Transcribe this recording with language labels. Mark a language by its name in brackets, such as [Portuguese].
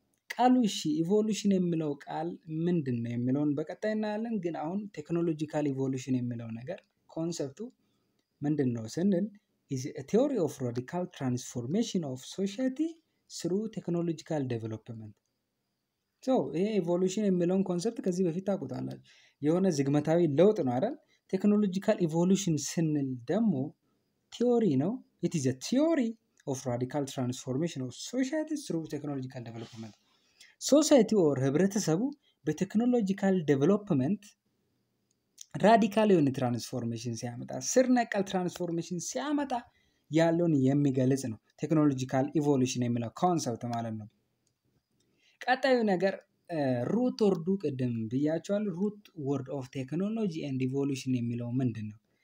[Amharic] ቃሉ እሺ፣ ኢቮሉሽን የሚለው ቃል ምንድን ነው የሚለውን በቀጣይ እናያለን። ግን አሁን ቴክኖሎጂካል ኢቮሉሽን የሚለው ነገር ኮንሰፕቱ ምንድን ነው ስንል [English] is a theory of radical transformation of society through technological development. [Amharic] So, evolution የሚለውን ኮንሰፕት ከዚህ በፊት ታውቁታላችሁ። የሆነ ዝግመታዊ ለውጥ ነው አይደል? ቴክኖሎጂካል ኢቮሉሽን ስንል ደግሞ ቲዮሪ ነው። [English] It is a theory of radical transformation of society through technological development. [Amharic] Society or ህብረተሰቡ በtechnological development ራዲካል የሆነ ትራንስፎርሜሽን ሲያመጣ ስር ነቀል ትራንስፎርሜሽን ሲያመጣ ያለውን የሚገልጽ ነው ቴክኖሎጂካል ኢቮሉሽን የሚለው ኮንሰፕት ማለት ነው። ቀጣዩ ነገር ሩት ወርዱ ቅድም ብያቸዋል። [English] ሩት ወርድ ኦፍ ቴክኖሎጂ ኤንድ ኢቮሉሽን [Amharic] የሚለው ምንድን ነው?